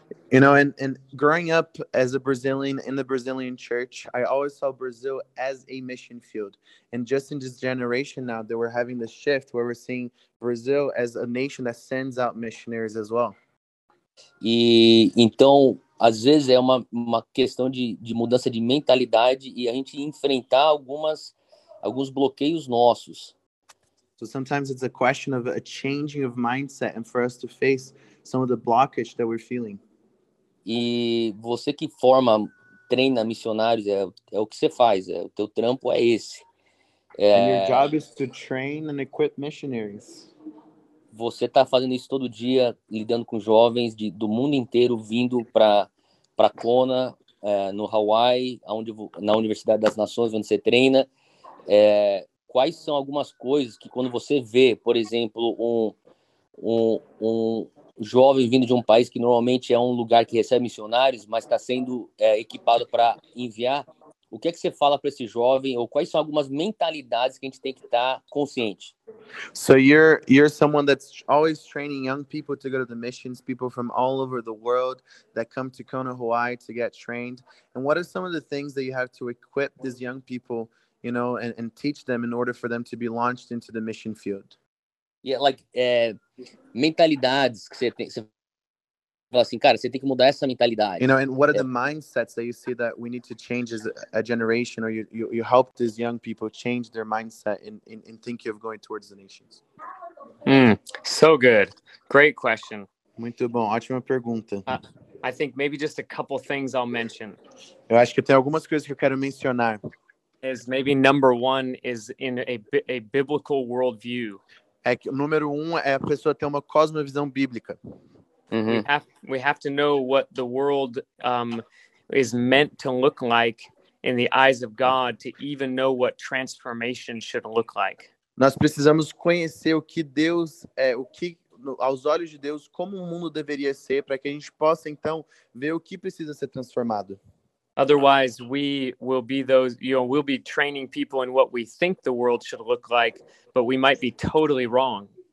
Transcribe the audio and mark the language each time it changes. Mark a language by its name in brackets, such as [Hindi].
[English] You know, and growing up as a Brazilian in the Brazilian church, I always saw Brazil as a mission field. And just in this generation now, that we're having this shift where we're seeing Brazil as a nation that sends out missionaries as well. [Portuguese] E então, às vezes é uma questão de mudança de mentalidade e a gente enfrentar alguns bloqueios nossos. [English] So sometimes it's a question of a changing of mindset and for us to face some of the blockage that we're feeling. [Portuguese] E você que forma, treina missionários, é o que você faz, o teu trampo é esse. [English] And your job is to train and equip missionaries. [Portuguese] Você está fazendo isso todo dia, lidando com jovens do mundo inteiro, vindo para Kona, no Hawaii, na Universidade das Nações, onde você treina. Quais são algumas coisas que quando você vê, por exemplo, um jovem vindo de um país que normalmente é um lugar que recebe missionários, mas está sendo equipado para enviar. O que é que você fala para esse jovem? Ou quais são algumas mentalidades que a gente tem que estar consciente? [English] So you're someone that's always training young people to go to the missions, people from all over the world that come to Kona, Hawaii to get trained. And what are some of the things that you have to equip these young people, you know, and teach them in order for them to be launched into the mission field? [Portuguese] Yeah, mentalidades que você tem, você fala assim, cara, você tem que mudar essa mentalidade. [English] You know, and what are the mindsets that you see that we need to change as a generation, or you help these young people change their mindset in thinking of going towards the nations? So good. Great question. [Portuguese] Muito bom, ótima pergunta. [English] I think maybe just a couple things I'll mention. [Portuguese] Eu acho que tem algumas coisas que eu quero mencionar. [English] Is maybe number one is in a biblical worldview. [Portuguese] É que o número um é a pessoa ter uma cosmovisão bíblica. Uhum. [English] We have to know what the world is meant to look like in the eyes of God to even know what transformation should look like. [Portuguese] Nós precisamos conhecer o que Deus é, o que aos olhos de Deus como o mundo deveria ser para que a gente possa então ver o que precisa ser transformado. [English] Otherwise, we will be those, you know, we'll be training people in what we think the world should look like, but we might be totally wrong.